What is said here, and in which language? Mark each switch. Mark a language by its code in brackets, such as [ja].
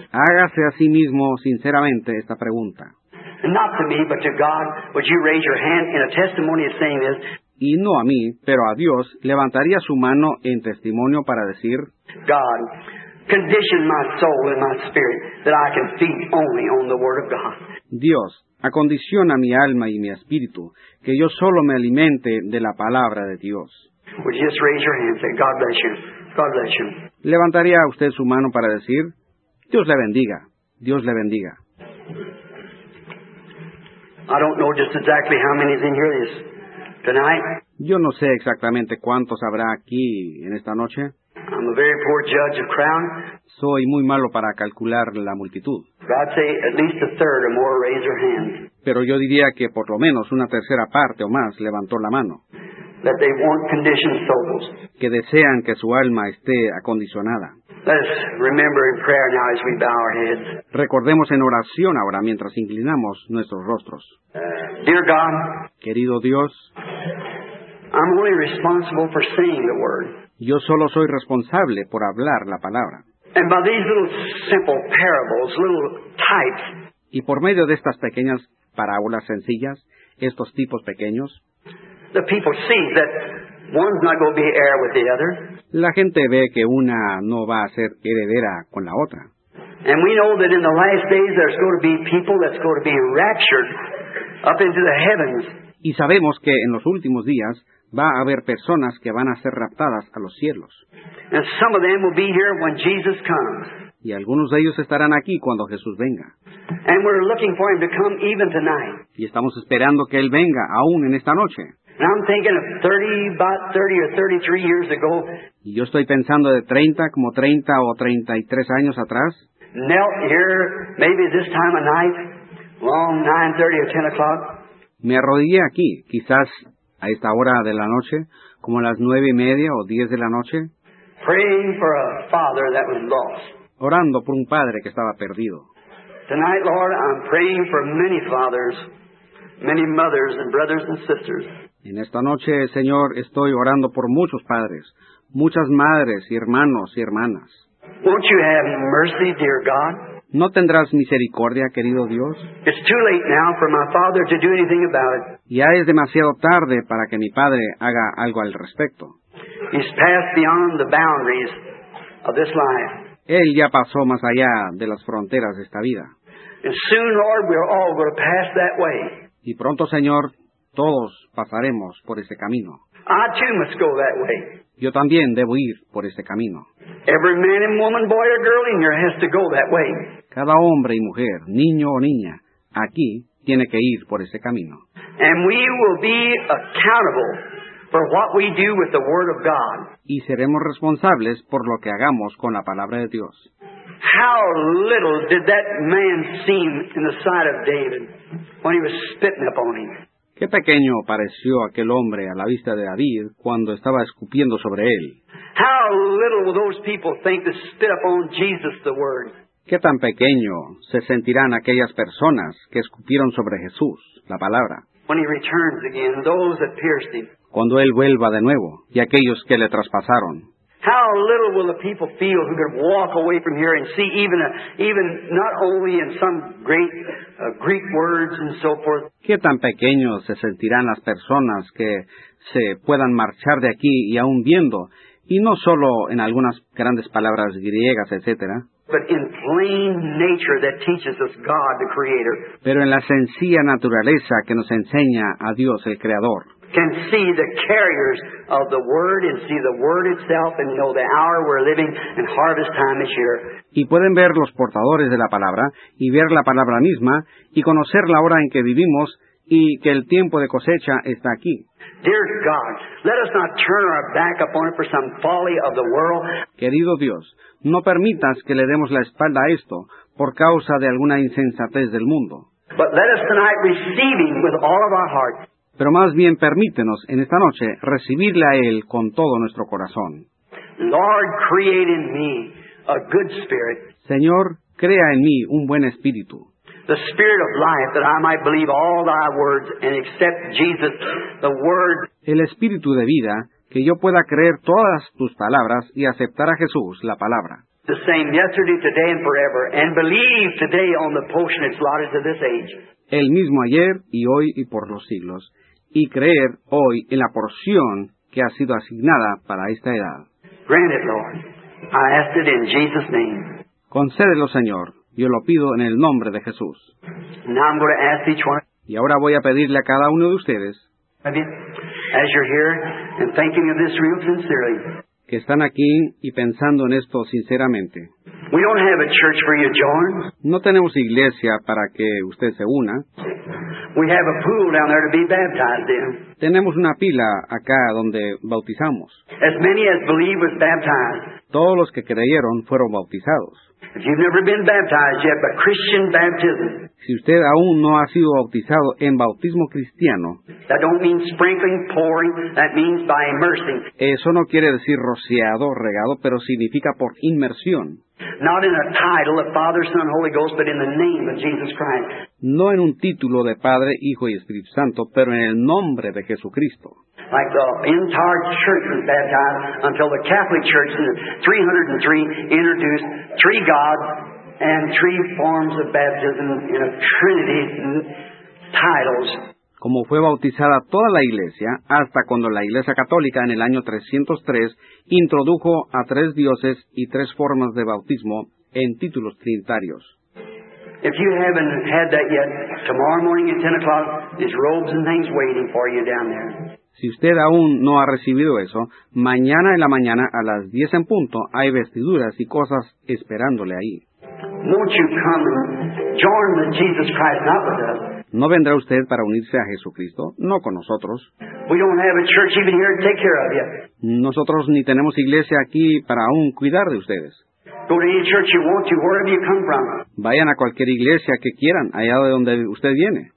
[es] Hágase a sí mismo sinceramente esta pregunta. [en] Not to me, but to God, would you raise your hand in a testimony of saying this? [es] Y no a mí, pero a Dios, levantaría su mano en testimonio para decir, [en] God, condition my soul and my spirit that I can feed only on the Word of God. [es] Dios, acondiciona mi alma y mi espíritu, que yo solo me alimente de la palabra de Dios. [en] Would you just raise your hand and say, God bless you. God bless you. [es] ¿Levantaría usted su mano para decir, Dios le bendiga, Dios le bendiga? [en] I don't know just exactly how many is in here this tonight. [es] Yo no sé exactamente cuántos habrá aquí en esta noche. [en] I'm a very poor judge of crowd. [es] Soy muy malo para calcular la multitud. [en] But I'd say at least a third or more raise your hand. [es] Pero yo diría que por lo menos una tercera parte o más levantó la mano. [en] That they want conditioned souls. [es] Que desean que su alma esté acondicionada. [en] Let's remember in prayer now as we bow our heads. [es] Recordemos en oración ahora mientras inclinamos nuestros rostros. [en] Dear God, [es] querido Dios, [en] I'm only responsible for saying the word. [es] Yo solo soy responsable por hablar la palabra. [en] And by these little simple parables, little types, [es] y por medio de estas pequeñas parábolas sencillas, estos tipos pequeños, [en] the people see that one's not going to be heir with the other. [es] La gente ve que una no va a ser heredera con la otra. [en] And we know that in the last days there's going to be people that's going to be raptured up into the heavens. [es] Y sabemos que en los últimos días va a haber personas que van a ser raptadas a los cielos. [en] And some of them will be here when Jesus comes. [es] Y algunos de ellos estarán aquí cuando Jesús venga. [en] And we're looking for him to come even tonight. [es] Y estamos esperando que él venga aún en esta noche. [en] And I'm thinking of 30 or 33 years ago. [es] Y yo estoy pensando de 30, como 30 o 33 años atrás. [en] Knelt here, maybe this time of night, long 9:30 or 10 o'clock. [es] Me arrodillé aquí, quizás a esta hora de la noche, como a las 9:30 o 10 de la noche. [en] Praying for a father that was lost. [es] Orando por un padre que estaba perdido. [en] Tonight, Lord, I'm praying for many fathers, many mothers and brothers and sisters. [es] En esta noche, Señor, estoy orando por muchos padres, muchas madres y hermanos y hermanas. [en] Won't you have mercy, dear God? [es] ¿No tendrás misericordia, querido Dios? [en] It's too late now for my father to do anything about it. [es] Ya es demasiado tarde para que mi padre haga algo al respecto. [en] He's passed beyond the boundaries of this life. [es] Él ya pasó más allá de las fronteras de esta vida. [en] And soon, Lord, we're all going to pass that way. [es] Y pronto, Señor, todos pasaremos por ese camino. [en] I too must go that way. [es] Yo también debo ir por ese camino. [en] Every man and woman, boy or girl in here has to go that way. [es] Cada hombre y mujer, niño o niña, aquí tiene que ir por ese camino. [en] And we will be accountable for what we do with the Word of God. [es] Y seremos responsables por lo que hagamos con la palabra de Dios. [en] How little did that man seem in the sight of David when he was spitting upon him? [es] Qué pequeño pareció aquel hombre a la vista de David cuando estaba escupiendo sobre él. [en] How little will those people think to spit upon Jesus the Word? [es] Qué tan pequeño se sentirán aquellas personas que escupieron sobre Jesús, la palabra. [en] When he returns again, those that pierced him. [es] Cuando él vuelva de nuevo y aquellos que le traspasaron. [en] How little will the people feel who could walk away from here and see even not only in some great Greek words and so forth. [es] ¿Qué tan pequeños se sentirán las personas que se puedan marchar de aquí y aún viendo, y no solo en algunas grandes palabras griegas, etcétera? [en] But in plain nature that teaches us God the Creator. [es] Pero en la sencilla naturaleza que nos enseña a Dios el Creador. [en] Can see the carriers of the Word and see the Word itself and know the hour we're living and harvest time is here. [es] Y pueden ver los portadores de la palabra y ver la palabra misma y conocer la hora en que vivimos y que el tiempo de cosecha está aquí. [en] Dear God, let us not turn our back upon it for some folly of the world. [es] Querido Dios, no permitas que le demos la espalda a esto por causa de alguna insensatez del mundo. [en] But let us tonight receive him with all of our hearts. [es] Pero más bien permítenos en esta noche recibirle a Él con todo nuestro corazón. [en] Lord, create in me a good spirit. [es] Señor, crea en mí un buen espíritu. [en] The spirit of life that I might believe all thy words and accept Jesus, the word. [es] El espíritu de vida, que yo pueda creer todas tus palabras y aceptar a Jesús, la palabra. [en] The same yesterday, today and forever, and believe today on the portion that's allotted to this age. [es] El mismo ayer y hoy y por los siglos. Y creer hoy en la porción que ha sido asignada para esta edad. [en] Grant it, Lord. I ask it in Jesus' name. [es] Concédelo, Señor. Yo lo pido en el nombre de Jesús. [en] Now I'm going to ask each one. [es] Y ahora voy a pedirle a cada uno de ustedes. [en] As you're here and thinking of this real sincerely. [es] Que están aquí y pensando en esto sinceramente. [en] We don't have a church for you to join. [es] No tenemos iglesia para que usted se una. [en] We have a pool down there to be baptized in. [es] Tenemos una pila acá donde bautizamos. [en] As many as believe was baptized. [es] Todos los que creyeron fueron bautizados. [en] If you've never been baptized yet, but Christian baptism. [es] Si usted aún no ha sido bautizado en bautismo cristiano. [en] That don't mean sprinkling, pouring. That means by immersing. [es] Eso no quiere decir rociado, regado, pero significa por inmersión. [en] Not in a title of Father, Son, Holy Ghost, but in the name of Jesus Christ. [es] No en un título de Padre, Hijo y Espíritu Santo, pero en el nombre de Jesucristo. [en] Like the entire church was baptized until the Catholic Church in 303 introduced three gods and three forms of baptism in a trinity titles. [es] Como fue bautizada toda la iglesia, hasta cuando la iglesia católica en el año 303 introdujo a tres dioses y tres formas de bautismo en títulos trinitarios. [en] If you haven't had that yet, tomorrow morning at 10 o'clock, there's robes and things waiting for you down there. [es] Si usted aún no ha recibido eso, mañana en la mañana a las 10 en punto hay vestiduras y cosas esperándole ahí. [en] Won't you come join with Jesus Christ, not with us? [es] ¿No vendrá usted para unirse a Jesucristo? No con nosotros. [en] We don't have a church even here to take care of you. [es] Nosotros ni tenemos iglesia aquí para aún cuidar de ustedes. [en] Go to any church you want to, wherever you come from. [es] Vayan a cualquier iglesia que quieran, allá de donde usted viene.